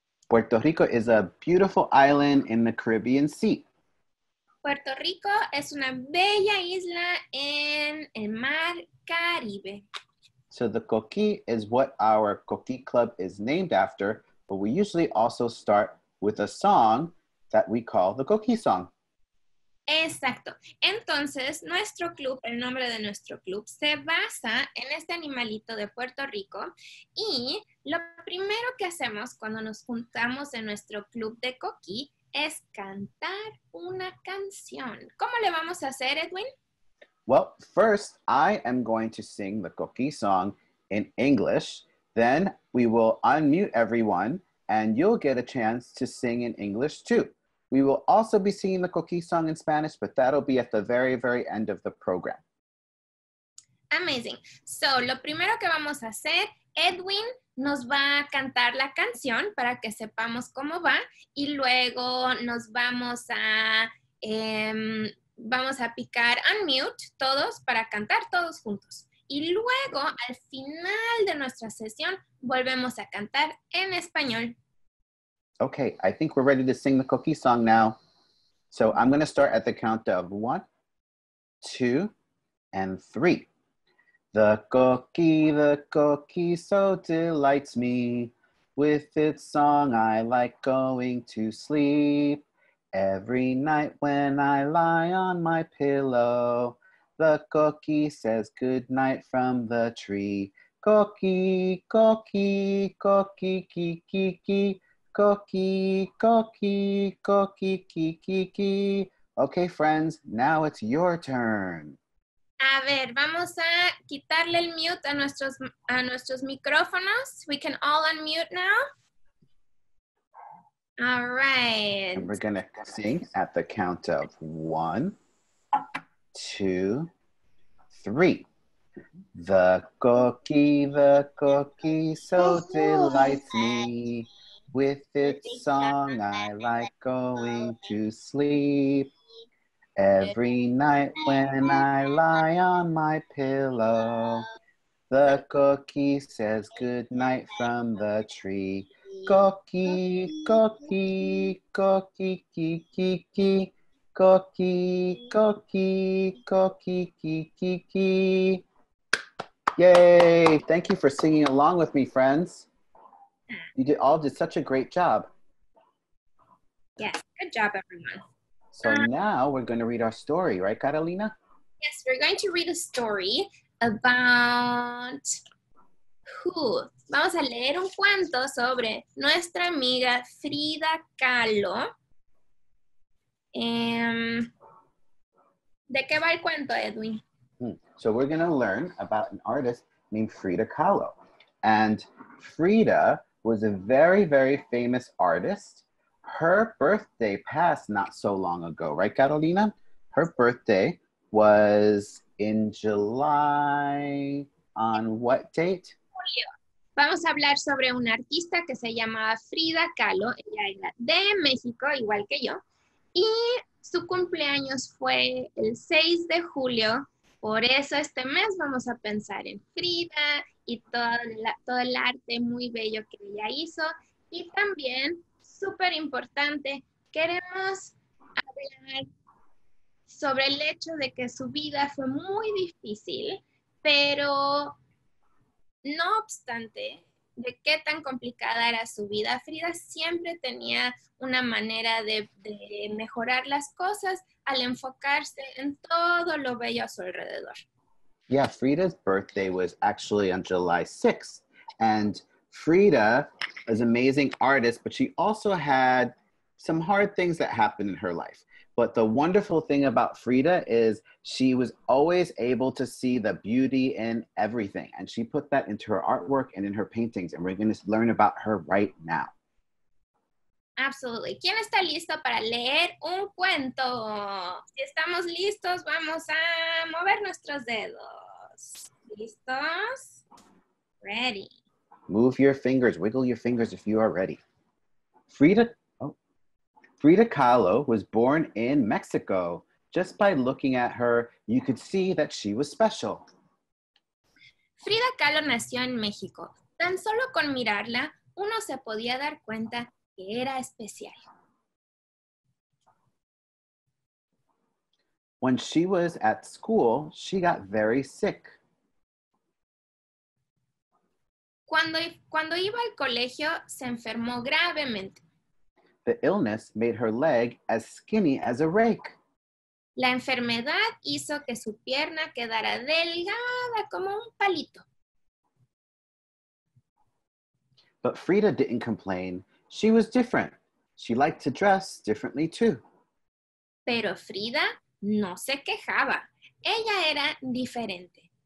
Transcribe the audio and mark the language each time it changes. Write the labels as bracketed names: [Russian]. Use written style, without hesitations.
[English] Puerto Rico is a beautiful island in the Caribbean Sea. [Spanish] Puerto Rico es una bella isla en el mar Caribe. [English] So the coquí is what our coquí club is named after, but we usually also start with a song that we call the coquí song. [Spanish] Exacto. Entonces, nuestro club, el nombre de nuestro club, se basa en este animalito de Puerto Rico y lo primero que hacemos cuando nos juntamos en nuestro club de coquí es cantar una canción. ¿Cómo le vamos a hacer, Edwin? [English] Well, first I am going to sing the coquí song in English, then we will unmute everyone and you'll get a chance to sing in English too. We will also be singing the coquí song in Spanish, but that'll be at the very, very end of the program. Amazing. So, [Spanish] lo primero que vamos a hacer, Edwin nos va a cantar la canción para que sepamos cómo va, y luego nos vamos a, vamos a picar [English] unmute [Spanish] todos para cantar todos juntos. Y luego, al final de nuestra sesión, volvemos a cantar en español. [English] Okay, I think we're ready to sing the coquí song now. So I'm going to start at the count of 1, 2, and 3. The coquí so delights me. With its song, I like going to sleep. Every night when I lie on my pillow, the coquí says good night from the tree. Coquí, coquí, coquí, ki, ki, ki. Coquí, coquí, coquí, ki, ki, ki. Okay, friends, now it's your turn. [Spanish] A ver, vamos a quitarle el mute a nuestros micrófonos. [English] We can all unmute now. All right. And we're going to sing at the count of one, two, three. The cookie, so delights me. With its song, I like going to sleep. Every night when I lie on my pillow, the cookie says good night from the tree. Cookie, cookie, cookie, kiki, kiki. Cookie, cookie, cookie, kiki, kiki. Yay! Thank you for singing along with me, friends. You did all did such a great job. Yes, good job, everyone. So now we're going to read our story, right, Catalina? Yes, we're going to read a story about who. [Spanish] Vamos a leer un cuento sobre nuestra amiga Frida Kahlo. ¿De qué va el cuento, Edwin? [English] So we're going to learn about an artist named Frida Kahlo. And Frida was a very, very famous artist. Her birthday passed not so long ago, right, Catalina? Her birthday was in July, on what date? [Spanish] Vamos a hablar sobre una artista que se llamaba Frida Kahlo. Ella era de México, igual que yo. Y su cumpleaños fue el 6 de julio. Por eso este mes vamos a pensar en Frida y todo el arte muy bello que ella hizo. Y también, súper importante, queremos hablar sobre el hecho de que su vida fue muy difícil, pero no obstante de qué tan complicada era su vida, Frida siempre tenía una manera de mejorar las cosas al enfocarse en todo lo bello a su alrededor. [English] Yeah, Frida's birthday was actually on July 6th. And Frida was an amazing artist, but she also had some hard things that happened in her life. But the wonderful thing about Frida is she was always able to see the beauty in everything. And she put that into her artwork and in her paintings. And we're going to learn about her right now. Absolutely. [Spanish] ¿Quién está listo para leer un cuento? Si estamos listos, vamos a mover nuestros dedos. ¿Listos? [English] Ready. Move your fingers. Wiggle your fingers if you are ready. Frida Kahlo was born in Mexico. Just by looking at her, you could see that she was special. [Spanish] Frida Kahlo nació en México. Tan solo con mirarla, uno se podía dar cuenta que era especial. [English] When she was at school, she got very sick. [Spanish] Cuando iba al colegio, se enfermó gravemente. [English] The illness made her leg as skinny as a rake. [Spanish] La enfermedad hizo que su pierna quedara delgada como un palito. [English] But Frida didn't complain. She was different. She liked to dress differently too. [Spanish] Pero Frida no se quejaba. Ella era diferente.